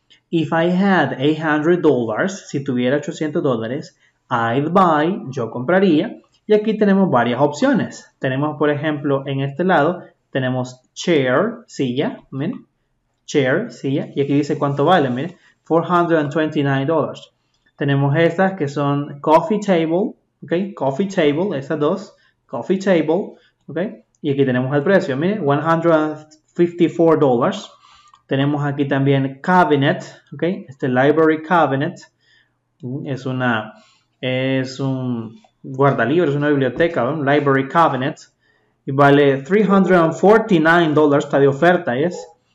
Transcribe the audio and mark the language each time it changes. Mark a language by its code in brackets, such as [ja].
[en] If I had $800, [es] si tuviera $800, [en] I'd buy, [es] yo compraría. Y aquí tenemos varias opciones. Tenemos, por ejemplo, en este lado, tenemos chair, silla, miren, chair, silla. Y aquí dice cuánto vale, miren, $429. Tenemos estas que son coffee table, ok, coffee table, estas dos, coffee table, ok. Y aquí tenemos el precio, miren, $154. Tenemos aquí también cabinet, ok, este library cabinet, es un guardalibro, es una biblioteca, ¿no? Library cabinet, y vale $349, está de oferta, ¿yes?